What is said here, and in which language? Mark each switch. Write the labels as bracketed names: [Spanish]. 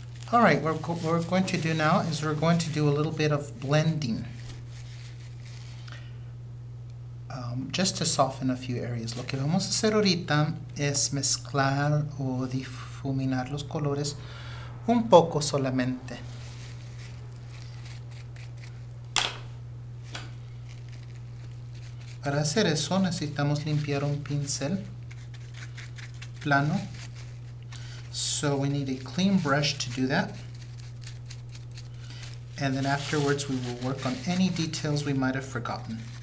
[English] All right, what we're going to do now is we're going to do a little bit of blending just to soften a few areas. [Spanish] Lo que vamos a hacer ahorita es mezclar o difuminar los colores un poco solamente. Para hacer eso necesitamos limpiar un pincel plano. [English] So we need a clean brush to do that. And then afterwards we will work on any details we might have forgotten.